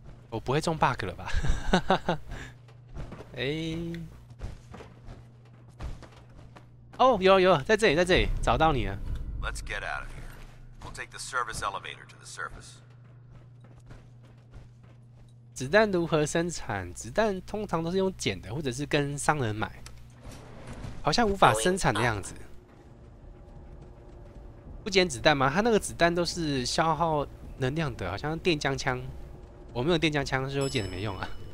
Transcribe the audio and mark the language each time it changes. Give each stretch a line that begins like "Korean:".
Chinese: 我不会中 bug 了吧？哎、欸，哦、oh, ，有有，在这里，在这里，找到你了。
English: Let's get out of here. We'll take the service elevator to the surface.
Chinese: 子弹如何生产？子弹通常都是用捡的，或者是跟商人买，好像无法生产的样子。不捡子弹吗？他那个子弹都是消耗能量的，好像电浆枪。我没有电浆枪，所以我捡的没用啊。